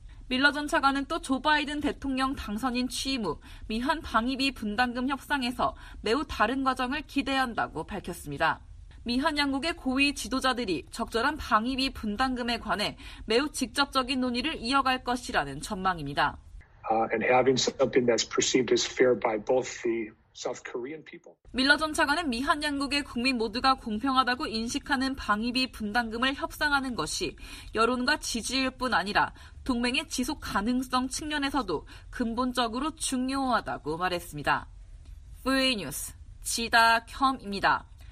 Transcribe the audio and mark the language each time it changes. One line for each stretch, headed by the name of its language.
Korean: 밀러 전 차관은 또 조 바이든 대통령 당선인 취임 후 미한 방위비 분담금 협상에서 매우 다른 과정을 기대한다고 밝혔습니다. 미한 양국의 고위 지도자들이 적절한 방위비 분담금에 관해 매우 직접적인 논의를 이어갈 것이라는 전망입니다.
English: And having something that's perceived as fair by both the South Korean people.
Korean: 밀러 전 차관은 미한 양국의 국민 모두가 공평하다고 인식하는 방위비 분담금을 협상하는 것이 여론과 지지일 뿐 아니라 동맹의 지속 가능성 측면에서도 근본적으로 중요하다고 말했습니다. 4A 뉴스 지다 겸입니다.